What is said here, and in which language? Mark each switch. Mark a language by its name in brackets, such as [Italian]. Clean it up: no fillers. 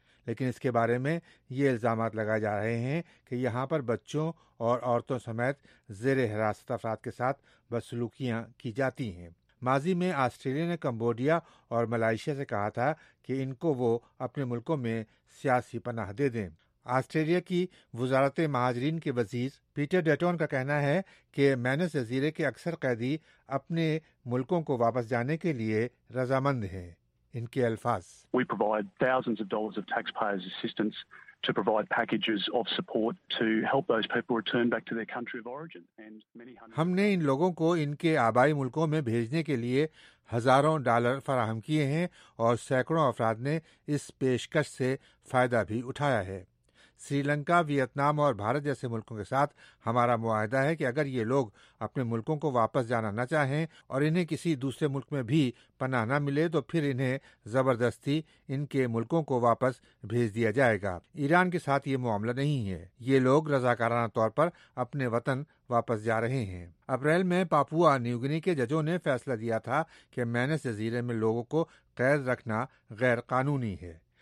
[Urdu] لیکن اس کے بارے میں یہ الزامات لگائے جا رہے ہیں کہ یہاں پر بچوں اور عورتوں سمیت زیر حراست افراد کے ساتھ بدسلوکیاں کی جاتی ہیں۔ ماضی میں آسٹریلیا نے کمبوڈیا اور ملائیشیا سے کہا تھا کہ ان کو وہ اپنے ملکوں میں سیاسی پناہ دے دیں۔ آسٹریلیا کی وزارت مہاجرین کے وزیر پیٹر ڈیٹون کا کہنا ہے کہ مینس جزیرے کے اکثر قیدی اپنے ملکوں کو واپس جانے کے لیے رضامند ہیں۔ ان کے الفاظ، [English] We provide thousands of dollars of taxpayers assistance to provide packages of support to help those people return back to their country of origin and many hundreds [Urdu] ہم نے ان لوگوں کو ان کے آبائی ملکوں میں بھیجنے کے لیے ہزاروں ڈالر فراہم کیے ہیں اور سینکڑوں افراد نے اس پیشکش سے فائدہ بھی اٹھایا ہے۔ سری لنکا، ویتنام اور بھارت جیسے ملکوں کے ساتھ ہمارا معاہدہ ہے کہ اگر یہ لوگ اپنے ملکوں کو واپس جانا نہ چاہیں اور انہیں کسی دوسرے ملک میں بھی پناہ نہ ملے تو پھر انہیں زبردستی ان کے ملکوں کو واپس بھیج دیا جائے گا۔ ایران کے ساتھ یہ معاملہ نہیں ہے، یہ لوگ رضاکارانہ طور پر اپنے وطن واپس جا رہے ہیں۔ اپریل میں پاپوا نیو گینی کے ججوں نے فیصلہ دیا تھا کہ مینس جزیرے میں لوگوں کو قید رکھنا غیر قانونی ہے۔